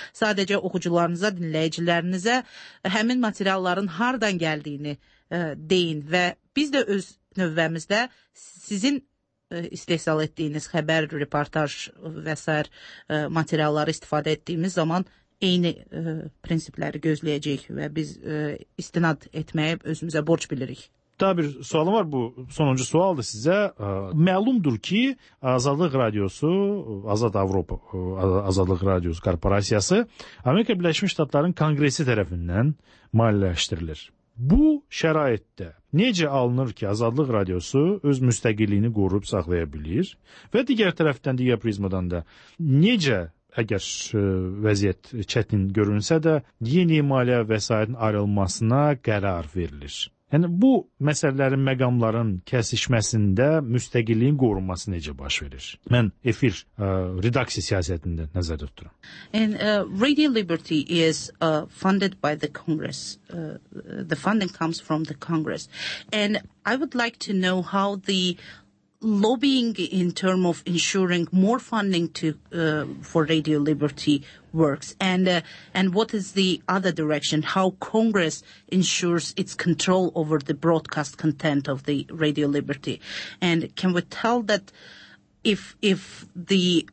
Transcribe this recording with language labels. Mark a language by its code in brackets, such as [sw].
[az] Sadəcə oxucularınıza, dinləyicilərinizə həmin materialların hardan gəldiyini deyin və biz də öz növbəmizdə sizin istehsal etdiyiniz xəbər, reportaj və s. materialları istifadə etdiyimiz zaman eyni prinsipləri gözləyəcəyik və biz istinad etməyə özümüzə borc bilirik. Daha bir sualım var, bu sonuncu sualdır sizə. Məlumdur ki, Azadlıq Radiosu, Azad Avropa Azadlıq Radiosu Korporasiyası Amerika Birləşmiş Ştatların Kongresi tərəfindən maliyyələşdirilir. Bu şəraitdə necə alınır ki, Azadlıq Radiosu öz müstəqilliyini qorub saxlaya bilir və digər tərəfdən, digər prizmadan da necə, əgər vəziyyət çətin görünsə də, yeni maliyyə vəsaitin ayrılmasına qərar verilir? Yəni, bu məsələlərin, məqamların kəsişməsində müstəqilliyin qorunması necə baş verir? Mən efir redaksiya siyasətində nəzərdə tuturam. [en] And Radio Liberty is funded by the Congress. The funding comes from the Congress. And I would like to know how the lobbying in term of ensuring more funding to for Radio Liberty works, and what is the other direction, how Congress ensures its control over the broadcast content of the Radio Liberty, and can we tell that if the